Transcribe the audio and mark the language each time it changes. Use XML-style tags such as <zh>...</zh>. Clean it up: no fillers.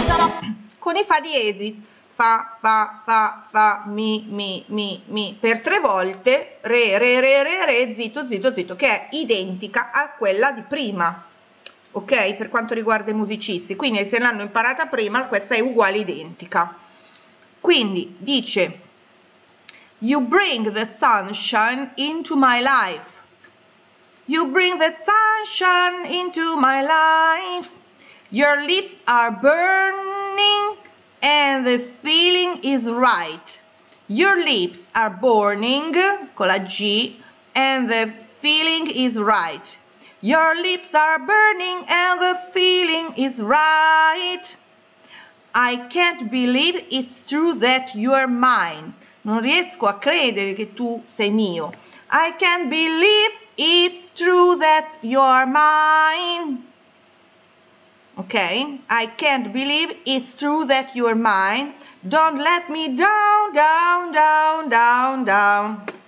<it>Diesis fa fa fa fa mi per 3 volte re zitto che è identica a quella di prima, ok? Per quanto riguarda i musicisti, quindi se l'hanno imparata prima, questa è uguale identica. Quindi dice:</it> <en>you bring the sunshine into my life, you bring the sunshine into my life, your lips are burning and the feeling is right. Your lips are burning,</en> <it>con la G,</it> <en>and the feeling is right. Your lips are burning and the feeling is right. I can't believe it's true that you are mine.</en> <it>Non riesco a credere che tu sei mio.</it> <en>I can't believe it's true that you are mine. Ok, I can't believe it's true that you're mine. Don't let me down, down, down, down, down.</en>